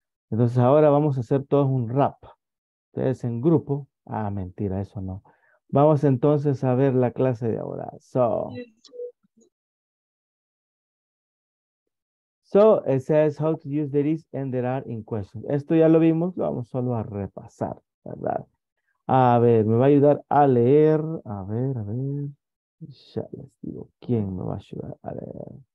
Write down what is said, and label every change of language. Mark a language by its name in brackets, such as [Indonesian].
[Spanish] Entonces ahora vamos a hacer todos un rap. Ustedes en grupo. Ah, mentira, eso no. Vamos entonces a ver la clase de ahora. [English] So... So, it says how to use there is and there are in questions. [Spanish] Esto ya lo vimos, lo vamos solo a repasar, ¿verdad? A ver, me va a ayudar a leer. A ver, ya les digo, ¿quién me va a ayudar a leer?